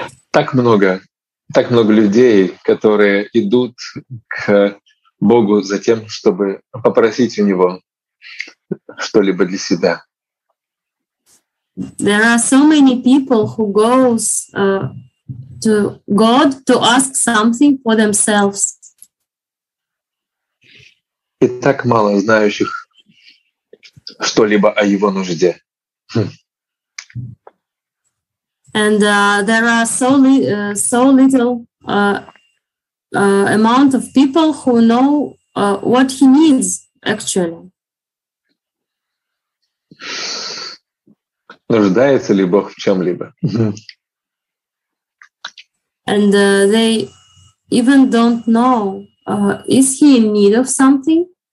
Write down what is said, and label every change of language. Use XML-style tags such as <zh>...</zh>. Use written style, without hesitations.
<ru>Так много людей, которые идут к Богу за тем, чтобы попросить у него что-либо для себя.</ru> <en>There are so many people who goes to God to ask something for themselves.</en> <ru>И так мало знающих что-либо о его нужде.</ru> <en>And there are so little amount of people who know what he needs actually.</en> <ru>Нуждается ли Бог в чем-либо?</ru> <en>And they even don't know is he in need of something?</en>